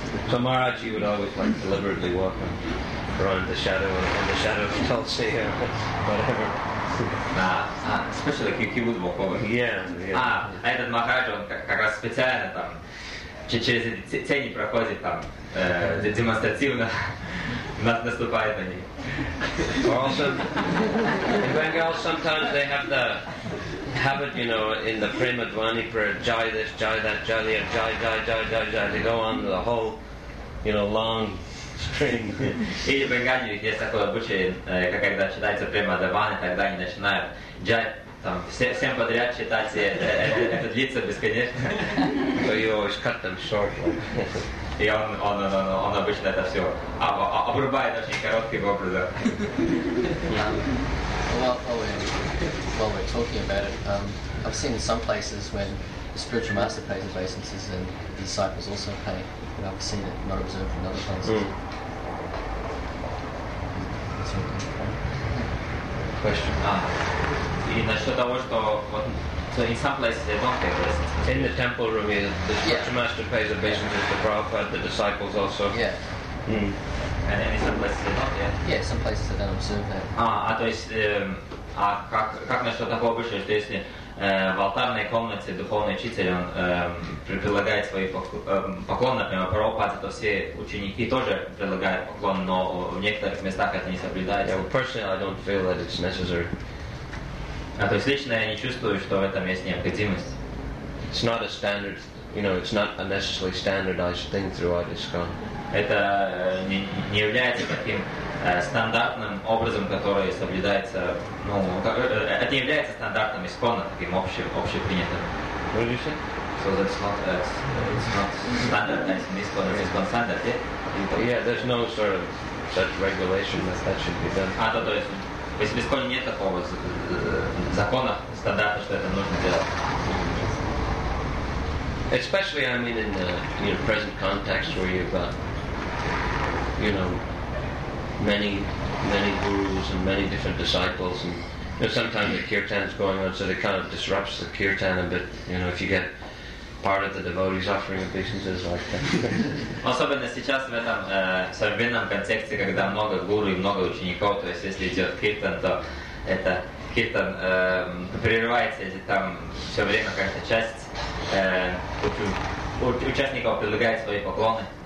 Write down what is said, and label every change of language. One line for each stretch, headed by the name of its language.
English: So Maharaj, you would always like deliberately walk around the shadow and the shadow of Tulsi or whatever. Especially if he would walk over. Yeah.
Russian: А этот Махарадж, он как раз специально там через эти тени проходит там, демонстративно наступает на них.
English: Also, in Bengal, sometimes they have the habit, you know, in the Prema Dwani prayer, jai this, jai that, jai the, jai, jai, jai, jai, jai, to go on the whole, you know, long string.
Russian: Или в Бенгалии есть такой обычай, когда читается Према Дваны, тогда они начинают джай, там, всем подряд читать, и это длится бесконечно.
English: So you always cut them short.
Russian: И он обычно это все обрубает очень коротким образом.
English: While we're talking about it, I've seen in some places when the spiritual master pays obeisances and the disciples also pay, but I've seen it not observed in other places. Mm. Question.
Russian: И насчет того, что
English: in some places they don't pay obeisances. In the temple room, the spiritual master pays obeisances to Prabhupada, the disciples also. Yeah. Mm. And in some places they don't, yeah? Yeah, some places they don't observe that.
Russian: А как насчет такого обычая, что если в алтарной комнате духовный учитель он предлагает свои поклоны, например, Прабхупаде, то все ученики тоже предлагают поклон, но в некоторых местах это не соблюдается.
English: Yeah, well, personally, I don't feel that it's necessary.
Russian: А то есть лично я не чувствую, что в этом есть необходимость.
English: It's not a standard, you know, it's not a necessarily standardized thing throughout ISKCON.
Russian: Это не является таким стандартным образом, который соблюдается, ну, это является стандартом, исконно таким общепринятым.
English: So that's not standard, yeah? Yeah, there's no sort of such regulation that should be done.
Russian: Ah, то есть, если в исконе нет такого закона, стандарта, что это нужно делать.
English: Especially, I mean, in the present context where you've got, you know, many gurus and many different disciples, and you know, sometimes the kirtan's going on, so it kind of disrupts the kirtan a bit. You know, if you get part of the devotees offering obeisances like that.
Russian: Особенно сейчас в этом современном контексте, когда много гуру и много учеников, то есть если идет киртан, то это киртан прерывается, если там все время какая-то часть участников предлагает свои поклоны.